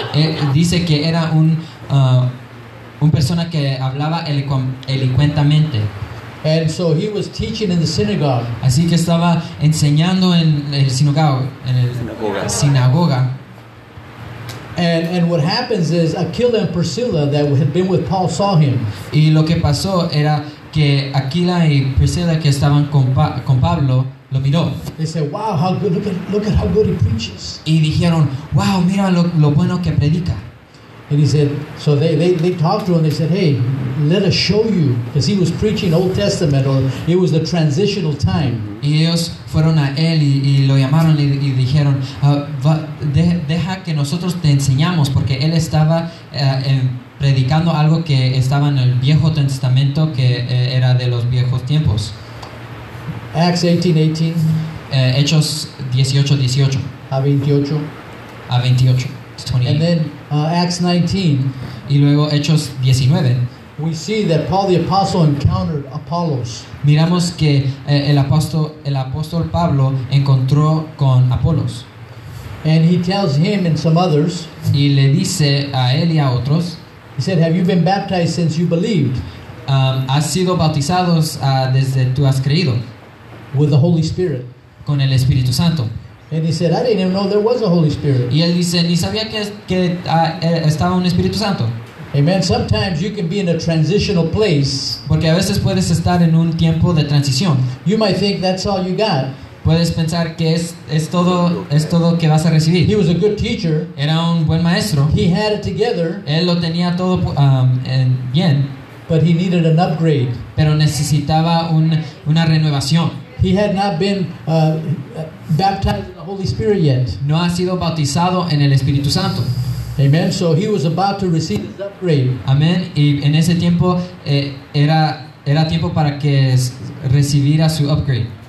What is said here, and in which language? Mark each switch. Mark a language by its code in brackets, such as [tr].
[es] Él dice que era un persona que hablaba elocuentemente. [en] And so he was teaching in the synagogue. [es] Así que estaba enseñando en el sinagoga. [en] And what happens is Aquila and Priscilla that had been with Paul saw him. [es] Y lo que pasó era que Aquila y Priscilla que estaban con Pablo lo miró. [en] They said, "Wow, how good! Look at how good he preaches." [es] Y dijeron, "Wow, mira lo bueno que predica." [en] And he said, so they talked to him. They said, "Hey, let us show you," because he was preaching Old Testament, or it was the transitional time. [es] Y ellos fueron a él y lo llamaron y dijeron, deja que nosotros te enseñamos, porque él estaba predicando algo que estaba en el Viejo Testamento, que era de los viejos tiempos. [en] Acts 18:18. [es] Hechos 18:18. [en] A 28. [es] A 28. 28. [en] And then Acts 19. [es] Y luego Hechos 19. [en] We see that Paul the apostle encountered Apollos. [es] Miramos que el apóstol Pablo encontró con Apollos. [en] And he tells him and some others. [es] Y le dice a él y a otros. [en] He said, "Have you been baptized since you believed?" [es] Has sido bautizados desde tú has creído. [en] With the Holy Spirit. [es] Con el Espíritu Santo. [en] And he said, "I didn't even know there was a Holy Spirit." [es] Y él dice, ni sabía que estaba un Espíritu Santo. [en] Amen. Sometimes you can be in a transitional place. [es] Porque a veces puedes estar en un tiempo de transición. [en] You might think that's all you got. [es] Puedes pensar que es todo que vas a recibir. [en] He was a good teacher. [es] Era un buen maestro. [en] He had it together. [es] Él lo tenía todo bien. [en] But he needed an upgrade. [es] Pero necesitaba una renovación. [en] He had not been baptized in the Holy Spirit yet. [es] No ha sido bautizado en el Espíritu Santo. [en] Amen. So he was about to receive his upgrade. Amen. [es] Y en ese tiempo era tiempo para que recibiera su upgrade.